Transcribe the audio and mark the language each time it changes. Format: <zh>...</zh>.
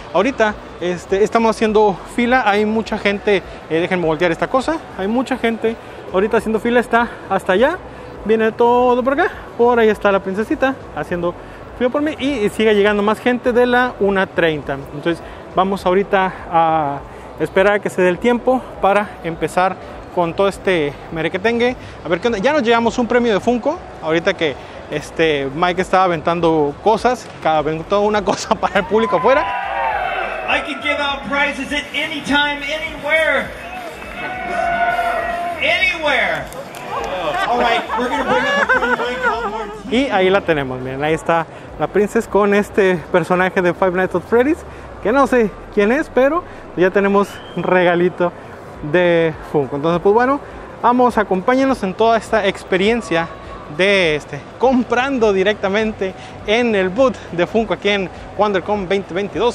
<es>Ahorita estamos haciendo fila, hay mucha gente, déjenme voltear esta cosa, hay mucha gente ahorita haciendo fila, está hasta allá, viene todo por acá, por ahí está la princesita haciendo fila por mí y sigue llegando más gente de la 1:30, entonces vamos ahorita a esperar a que se dé el tiempo para empezar con todo este merequetengue, a ver qué onda. Ya nos llevamos un premio de Funko, ahorita que Mike estaba aventando cosas, aventó una cosa para el público afuera.</es> <en>I can give out prizes at any time, anywhere. Anywhere. All right, we're going to bring up a</en> <es>y ahí la tenemos, miren, ahí está la princesa con este personaje de Five Nights at Freddy's, que no sé quién es, pero ya tenemos un regalito de Funko. Entonces, pues bueno, vamos, acompáñenos en toda esta experiencia de comprando directamente en el booth de Funko aquí en WonderCon 2022.</es>